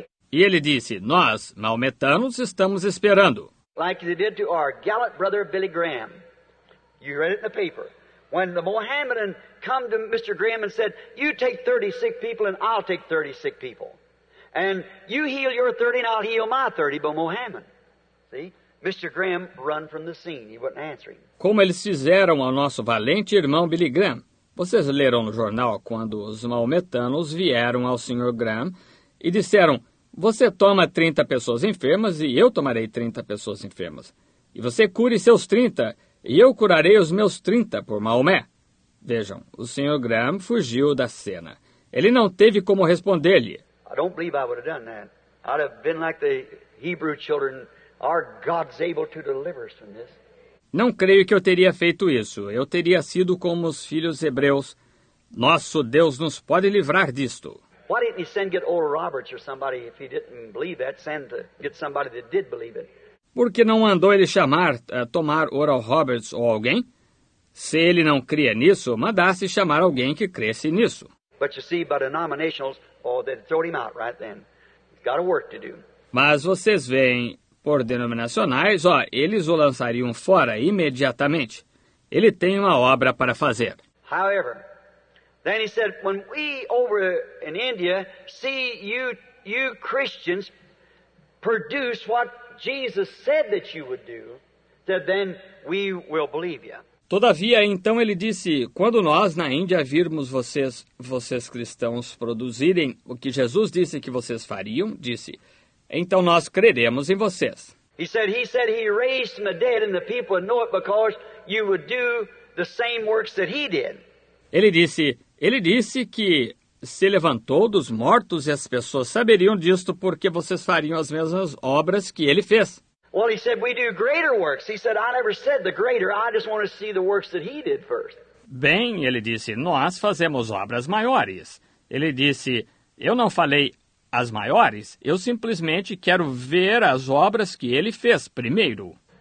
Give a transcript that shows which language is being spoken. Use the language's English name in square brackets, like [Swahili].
[Portuguese] E ele disse, nós, maometanos, estamos esperando. [English] Like they did to our gallant brother Billy Graham. You read it in the paper. When the Mohammedan come to Mr. Graham and said, you take 30 sick people and I'll take 30 sick people. And you heal your 30 and I'll heal my 30, but Mohammed. See? Mr. Graham run from the scene. He wasn't answering. [Portuguese] Como eles fizeram ao nosso valente irmão Billy Graham. Vocês leram no jornal quando os maometanos vieram ao Sr. Graham e disseram, você toma 30 pessoas enfermas e eu tomarei 30 pessoas enfermas. E você cure seus 30 e eu curarei os meus 30 por Maomé. Vejam, o Sr. Graham fugiu da cena. Ele não teve como responder-lhe. [English] I don't believe I would have done that. I'd have been like the Hebrew children. Our God's able to deliver us from this. [Portuguese] Não creio que eu teria feito isso. Eu teria sido como os filhos hebreus. Nosso Deus nos pode livrar disto. [English] Why didn't he send get old Roberts or somebody if he didn't believe that? Send to get somebody that did believe it. [Portuguese] Por que não mandou ele chamar, tomar Oral Roberts ou alguém? Se ele não cria nisso, mandasse chamar alguém que cresse nisso. [English] But you see, by the nominationals, oh, they throw him out right then. He's got a work to do. [Portuguese] Mas vocês veem, por denominacionais, ó, eles o lançariam fora imediatamente. Ele tem uma obra para fazer. [English] However, then he said, when we over in India see you Christians produce what Jesus said that you would do, then we will believe you. [Portuguese] Todavia, então ele disse, quando nós na Índia virmos vocês cristãos produzirem o que Jesus disse que vocês fariam, disse, então nós creremos em vocês. [English] He said he raised from the dead and the people would know it because you would do the same works that he did. [Portuguese] Ele disse que se levantou dos mortos e as pessoas saberiam disto porque vocês fariam as mesmas obras que ele fez. [English] Well, he said we do greater works. He said I never said the greater. I just want to see the works that he did first. [Portuguese] Bem, ele disse, nós fazemos obras maiores. Ele disse, eu não falei as maiores, eu simplesmente quero ver as obras que ele fez primeiro.